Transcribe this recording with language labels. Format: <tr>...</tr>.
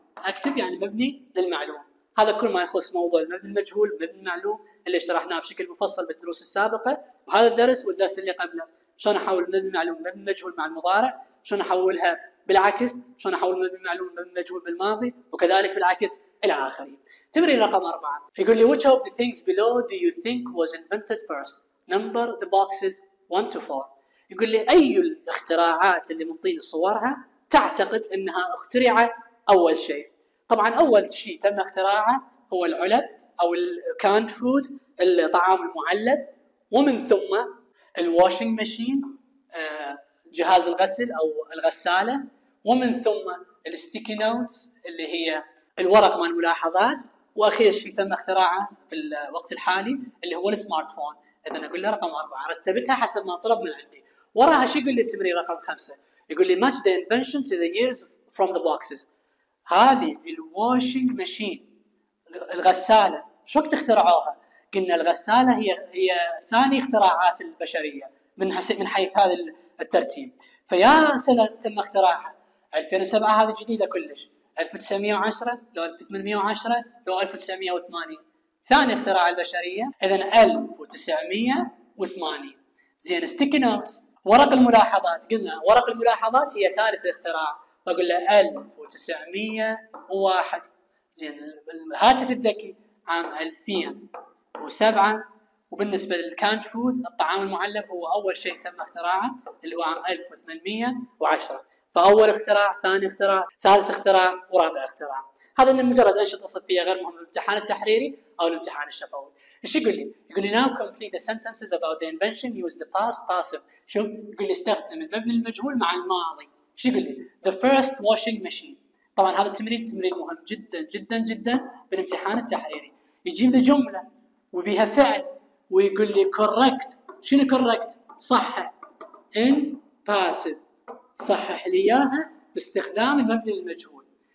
<ar>أكتب يعني مبني للمعلوم. هذا كل ما يخص موضوع المبني المجهول، مبني المعلوم اللي شرحناه بشكل مفصل بالدروس السابقة وهذا الدرس والدرس اللي قبله. شلون أحول مبني المعلوم مبني المجهول مع المضارع، شلون أحولها بالعكس، شلون أحول مبني المعلوم مبني المجهول بالماضي، وكذلك بالعكس إلى آخره. تمرين رقم 4 يقول لي</ar> <en>which of the things below do you think was invented first؟ Number the boxes 1 to 4.</en> <ar>يقول لي أي الاختراعات اللي منطيني صورها تعتقد أنها اخترعت أول شيء؟ طبعاً أول شيء تم اختراعه هو العلب أو الكانت فود، الطعام المعلب، ومن ثم الواشنج ماشين، جهاز الغسل أو الغسالة، ومن ثم الستيكي نوتس اللي هي الورق مال الملاحظات، وأخير شيء تم اختراعه في الوقت الحالي اللي هو السمارت فون. إذا أقول له رقم 4 رتبتها حسب ما طلب من عندي. وراها شيء يقول لي</ar> <en>التمرين رقم 5، يقول لي match the invention to the years from the boxes.</en> <ar>هذه الواشنج ماشين، الغسالة، شو وقت اخترعوها؟ قلنا الغسالة هي ثاني اختراعات البشرية من حيث هذا الترتيب. فيا سنة تم اختراعها؟ 2007 هذه جديدة كلش، 1910 لو 1810 لو 1980 ثاني اختراع البشرية. إذن 1980. زين ستيكي نوتس، ورق الملاحظات، قلنا ورق الملاحظات هي ثالث اختراع، فقل له 1901. زين الهاتف الذكي عام 2007، وبالنسبة للكانت فود الطعام المعلب هو أول شيء تم اختراعه اللي هو عام 1810. فأول اختراع، ثاني اختراع، ثالث اختراع، ورابع اختراع. هذا إنه مجرد أنشطة صفية غير مهمة للامتحان التحريري أو الامتحان الشفوي. إيش يقول لي؟ يقول لي</ar> <en>now complete the sentences about the invention use the past passive.</en> <ar>شوف يقول لي استخدم المبني المجهول مع الماضي. إيش يقول لي؟</ar> <en>the first washing machine.</en> <ar>طبعا هذا التمرين تمرين مهم جدا جدا جدا بالامتحان التحريري. يجيب لي جملة وبيها فعل ويقول لي correct. شنو correct؟ صحح</ar> <en>in passive،</en> <ar>صحح لي إياها باستخدام المبني المجهول.</ar>